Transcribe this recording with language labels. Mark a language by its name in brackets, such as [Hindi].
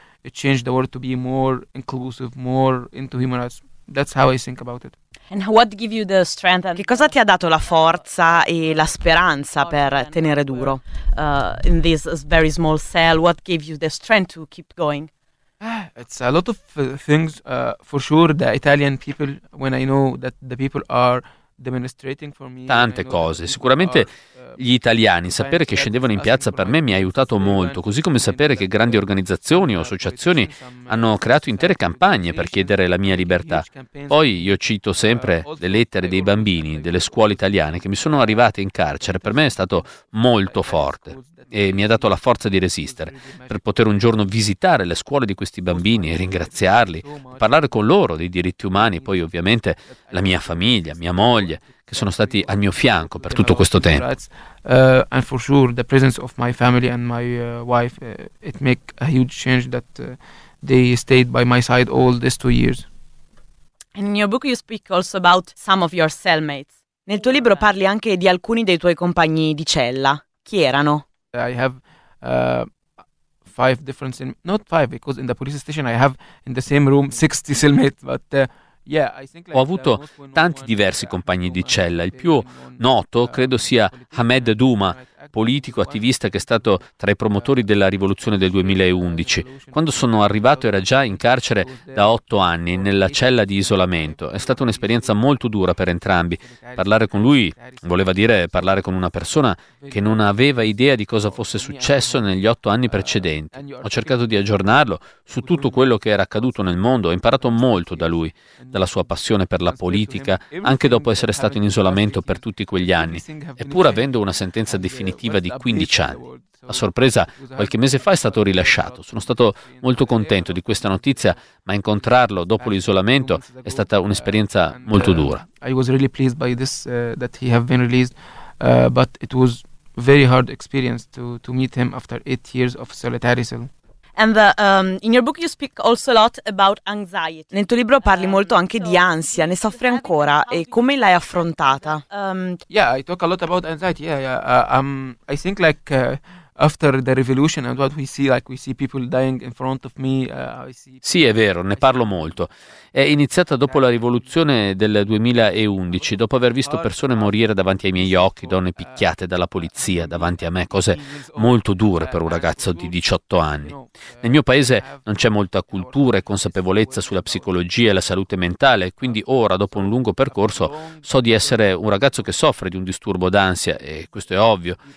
[English] Change the world to be more inclusive, more into human rights. That's how I think about it. And what give you the strength? [Italian] Che cosa ti ha dato la forza e la speranza per tenere duro? [English] In this very small cell, what gave you the strength to keep going? It's a lot of things, for sure. The Italian people, when I know that the people are demonstrating for me. [Italian] Tante cose, sicuramente. Gli italiani, sapere che scendevano in piazza per me mi ha aiutato molto, così come sapere che grandi organizzazioni o associazioni hanno creato intere campagne per chiedere la mia libertà. Poi io cito sempre le lettere dei bambini, delle scuole italiane che mi sono arrivate in carcere, per me è stato molto forte e mi ha dato la forza di resistere, per poter un giorno visitare le scuole di questi bambini e ringraziarli, parlare con loro dei diritti umani, poi ovviamente la mia famiglia, mia moglie, che sono stati al mio fianco per tutto questo tempo. [English] And for sure the presence of my family and my wife it make a huge change that they stayed by my side all these 2 years. In your book you speak also about some of your cellmates. [Italian] Nel tuo libro parli anche di alcuni dei tuoi compagni di cella. Chi erano? [English] I have five different cellmates. Not five, because in the police station I have in the same room 60 cellmates, but [Italian] ho avuto tanti diversi compagni di cella. Il più noto credo sia Ahmed Duma, politico attivista che è stato tra i promotori della rivoluzione del 2011. Quando sono arrivato era già in carcere da 8 anni, nella cella di isolamento. È stata un'esperienza molto dura per entrambi. Parlare con lui voleva dire parlare con una persona che non aveva idea di cosa fosse successo negli 8 anni precedenti. Ho cercato di aggiornarlo su tutto quello che era accaduto nel mondo. Ho imparato molto da lui, dalla sua passione per la politica, anche dopo essere stato in isolamento per tutti quegli anni. Eppur avendo una sentenza definitiva di 15 anni. A sorpresa, qualche mese fa è stato rilasciato. Sono stato molto contento di questa notizia, ma incontrarlo dopo l'isolamento è stata un'esperienza molto dura. [English] I was really pleased by this that he have been released, but it was very hard experience to meet him after 8 years of solitary cell. And in your book you speak also a lot about anxiety. [Italian] Nel tuo libro parli molto anche di ansia, ne soffri ancora e come l'hai affrontata? [English] I talk a lot about anxiety. I think like after the revolution and what we see, like we see people dying in front of me. [Italian] Sì, è vero, ne parlo molto. È iniziata dopo la rivoluzione del 2011, dopo aver visto persone morire davanti ai miei occhi, donne picchiate dalla polizia davanti a me, cose molto dure per un ragazzo di 18 anni. Nel mio paese non c'è molta cultura e consapevolezza sulla psicologia e la salute mentale, quindi ora, dopo un lungo percorso, so di essere un ragazzo che soffre di un disturbo d'ansia, e questo è ovvio.